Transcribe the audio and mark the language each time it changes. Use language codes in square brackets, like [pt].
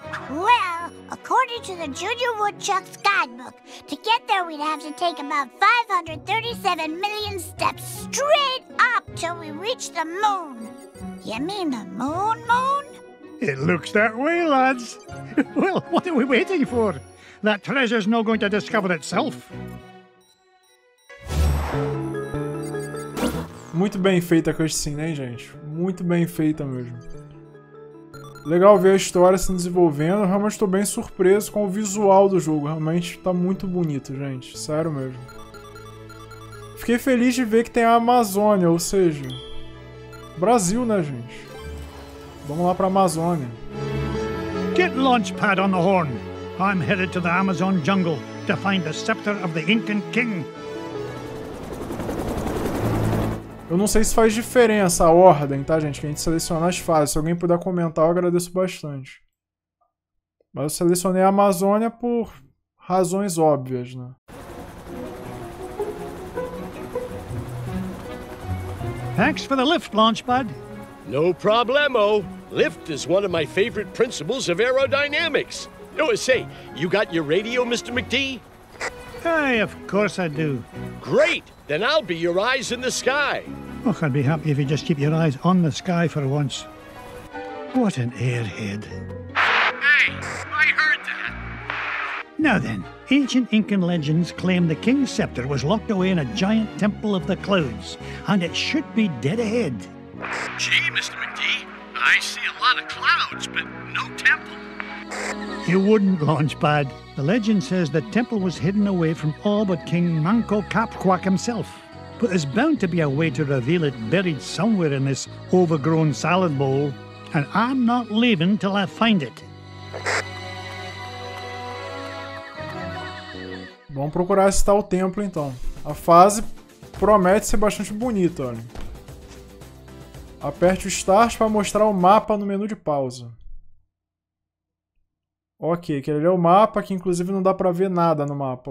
[en] Well, according to the Junior Woodchuck's guidebook, to get there we'd have to take about 537 million steps straight up till we reach the moon. You mean the moon, moon? It looks that way, lads. Well, what are we waiting for? That treasure's not going to discover itself. [pt] Muito bem feita a cutscene, hein, gente? Muito bem feita mesmo. Legal ver a história se desenvolvendo, eu realmente estou bem surpreso com o visual do jogo, realmente está muito bonito, gente, sério mesmo. Fiquei feliz de ver que tem a Amazônia, ou seja, Brasil, né, gente? Vamos lá para a Amazônia. [en] Get launchpad on the horn. I'm headed to the Amazon jungle to find the scepter of the Incan King. [pt] Eu não sei se faz diferença a ordem, tá, gente? Que a gente seleciona as fases. Se alguém puder comentar, eu agradeço bastante. Mas eu selecionei a Amazônia por razões óbvias, né? [en] Thanks for the lift, Launchpad. No problemo. Lift is one of my favorite principles of aerodynamics. Oh, say, you got your radio, Mr. McD? Hey, of course I do. Great! Then I'll be your eyes in the sky. Look, I'd be happy if you just keep your eyes on the sky for once. What an airhead. Hey, I heard that. Now then, ancient Incan legends claim the king's scepter was locked away in a giant temple of the clouds, and it should be dead ahead. Gee, Mr. McD, I see a lot of clouds, but no temple. You wouldn't, Launchpad. The legend says the temple was hidden away from all but King Manco Capquack himself. But there's bound to be a way to reveal it buried somewhere in this overgrown salad bowl. And I'm not leaving till I find it. [pt] Vamos procurar esse tal templo, então. A fase promete ser bastante bonita, olha. Aperte o Start para mostrar o mapa no menu de pausa. Ok, aquele é o mapa, que inclusive não dá pra ver nada no mapa.